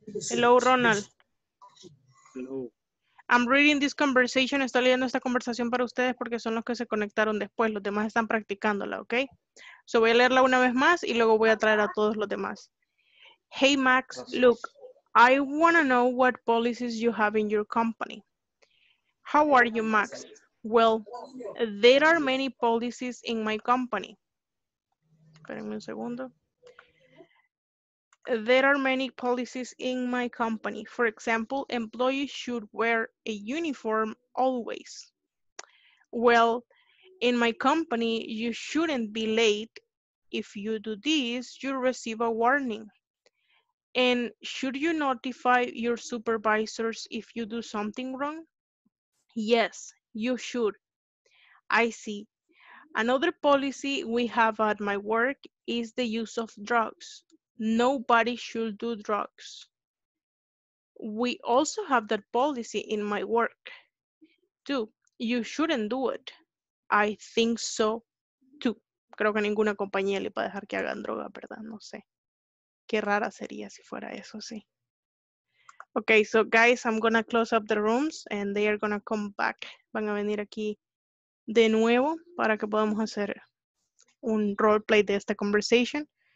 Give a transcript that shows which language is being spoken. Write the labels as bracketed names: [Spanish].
[English] Hello, Ronald. Hello. I'm reading this conversation. [Spanish] Estoy leyendo esta conversación para ustedes porque son los que se conectaron después. Los demás están practicándola, okay? So, voy a leerla una vez más y luego voy a traer a todos los demás. [English] Hey, Max, look. I want to know what policies you have in your company. How are you, Max? Well, there are many policies in my company. [Spanish] Espérenme un segundo. [English] There are many policies in my company. For example, employees should wear a uniform always. Well, in my company, you shouldn't be late. If you do this, you'll receive a warning. And should you notify your supervisors if you do something wrong? Yes, you should. I see. Another policy we have at my work is the use of drugs. Nobody should do drugs. We also have that policy in my work too. You shouldn't do it. I think so too. [Spanish] Creo que ninguna compañía le va a dejar que hagan droga, ¿verdad? No sé. Qué rara sería si fuera eso, sí. [English] Okay, so guys, I'm gonna close up the rooms and they are gonna come back. [Spanish] Van a venir aquí de nuevo para que podamos hacer un role play de esta conversation.